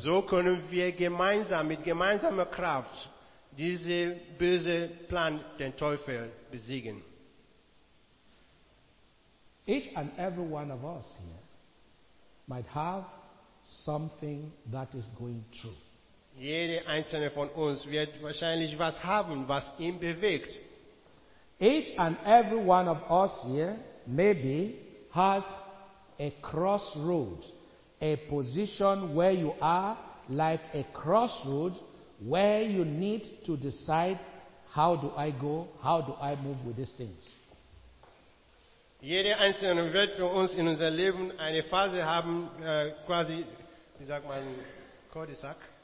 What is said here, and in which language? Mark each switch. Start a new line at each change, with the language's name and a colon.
German: So können wir gemeinsam, mit gemeinsamer Kraft, diese böse Plan den Teufel besiegen.
English: Each and every one of us here might have something that is going through.
German: Jede einzelne von uns wird wahrscheinlich was haben, was ihn bewegt.
English: Each and every one of us here maybe has a crossroad, a position where you are like a crossroad where you need to decide how do I go, how do I move with these things.
German: Jeder einzelne wird für uns in unser Leben eine Phase haben, quasi, wie sagt man, Kreuzsack?